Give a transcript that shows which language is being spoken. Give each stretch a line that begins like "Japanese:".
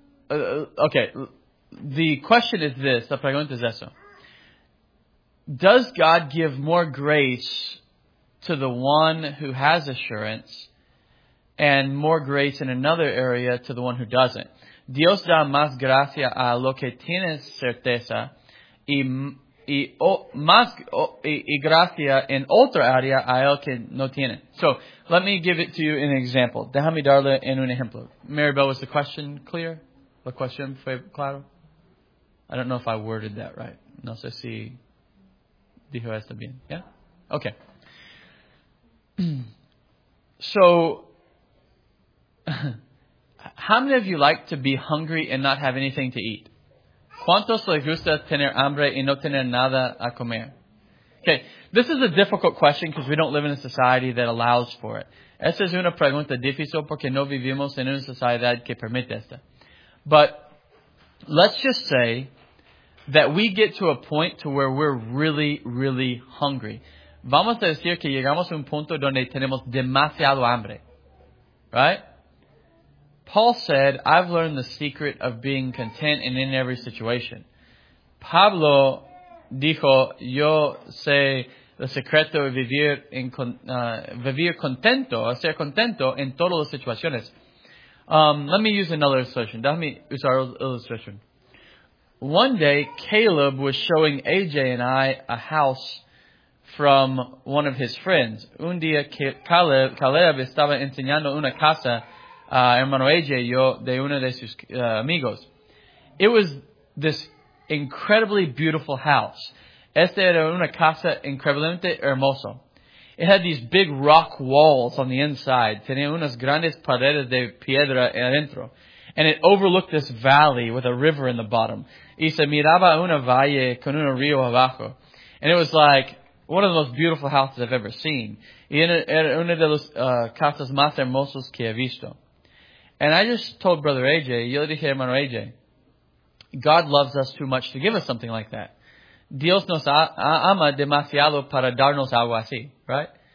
English: Oh, okay. Okay. The question is this.
Spanish: La pregunta es eso.
English: Does God give more grace to the one who has assurance and more grace in another area to the one who doesn't?
Spanish: Dios da más gracia a lo que tiene certeza y y gracia en otra área a él que no tiene.
English: So, let me give it to you an example.
Spanish: Déjame darle en un ejemplo.
English: Maribel, was the question clear?
Spanish: La cuestión fue claro?
English: I don't know if I worded that right.
Spanish: No sé si dijo esto bien.
English: Yeah? Okay. So, how many of you like to be hungry and not have anything to eat?
Spanish: ¿Cuántos les gusta tener hambre y no tener nada a comer?
English: Okay, this is a difficult question because we don't live in a society that allows for it.
Spanish: Esta es una pregunta difícil porque no vivimos en una sociedad que permite esta.
English: But let's just say that we get to a point to where we're really, really hungry.
Spanish: Vamos a decir que llegamos a un punto donde tenemos demasiado hambre.
English: Right? Paul said, I've learned the secret of being content and in every situation.
Spanish: Pablo dijo, yo sé el secreto de vivir contento, ser contento en todas las situaciones.
English: Let me use another illustration.
Spanish: Déjame usar illustration.
English: One day, Caleb was showing AJ and I a house from one of his friends.
Spanish: Un día, Caleb estaba enseñando una casa a hermano AJ y yo de uno de sus amigos.
English: It was this incredibly beautiful house.
Spanish: Esta era una casa increíblemente hermosa.
English: It had these big rock walls on the inside.
Spanish: Tenía unas grandes paredes de piedra adentro.
English: And it overlooked this valley with a river in the bottom.
Spanish: Y se miraba una valle con un río abajo.
English: And it was like one of the most beautiful houses I've ever seen.
Spanish: Y era una de las casas más hermosas que he visto.
English: And I just told Brother AJ,
Spanish: yo le dije a hermano AJ,
English: God loves us too much to give us something like that.
Spanish: Dios nos ama demasiado para darnos algo así, right?